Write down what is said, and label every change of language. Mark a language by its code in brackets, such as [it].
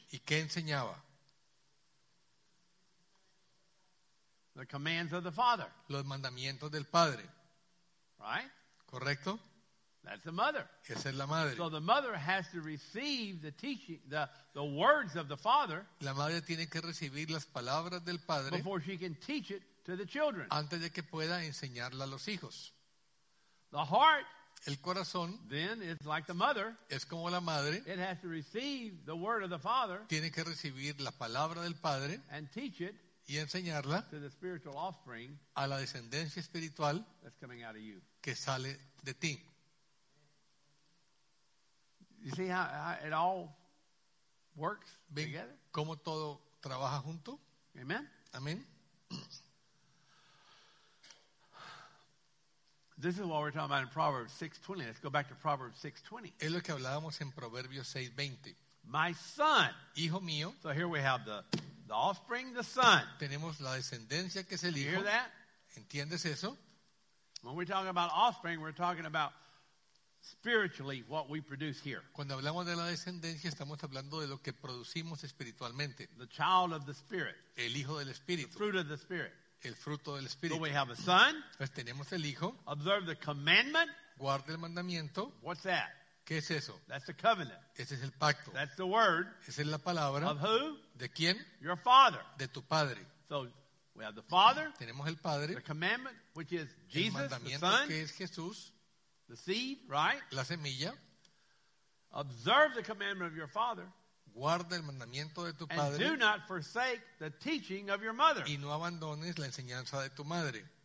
[es] ¿Y qué enseñaba? [en] The commands of the father. [es] Los mandamientos del padre. [en] Right? [es] ¿Correcto? [en] That's the mother. [es] Esa es la madre. [en] So the mother has to receive the teaching, the words of the father. [es] La madre tiene que recibir las palabras del padre [en] before she can teach it to the children. [es] Antes de que pueda enseñarla a los hijos. [en] The heart, [es] el corazón, [en] then is like the mother. [es] Es como la madre. [en] It has to receive the word of the father. [es] Tiene que recibir la palabra del padre [en] and teach it [es] y enseñarla [en] to the spiritual offspring [es] a la descendencia espiritual [en] that's coming out of you. [es] Que sale de ti. [en] You see how it all works together? [es] ¿Cómo todo trabaja junto? [en] Amen. [es] Amen. [en] This is what we're talking about in Proverbs 6:20. Let's go back to Proverbs 6:20. [es] Es lo que hablábamos en Proverbios 6:20. [en] My son. [es] Hijo mío. [en] So here we have the offspring, the son. [es] Tenemos la descendencia que es el hijo. [en] Hear that? [es] ¿Entiendes eso? [en] When we're talking about offspring, we're talking about spiritually, what we produce here. [es] Cuando hablamos de la descendencia, estamos hablando de lo que producimos espiritualmente. [en] The child of the spirit. [es] El hijo del espíritu. [en] The fruit of the spirit. [es] El fruto del espíritu. [en] So we have a son. [es] Pues tenemos el hijo. [en] Observe the commandment. [es] Guarda el mandamiento. [en] What's that? [es] ¿Qué es eso? [en] That's the covenant. [es] Ese es el pacto. [en] That's the word. [es] Esa es la palabra. [en] Of who? [es] ¿De quién? [en] Your father. [es] De tu padre. [en] So we have the father. [es] Tenemos el padre. [en] The commandment, which is Jesus, [es] el mandamiento, the [en] son. [es] Que es Jesús. [en] The seed, right? [es] La semilla. [en] Observe the commandment of your father. [es] Guarda el mandamiento de tu [en] and [es] padre. [en] And do not forsake the teaching of your mother. [es] Y no abandones la enseñanza de tu madre.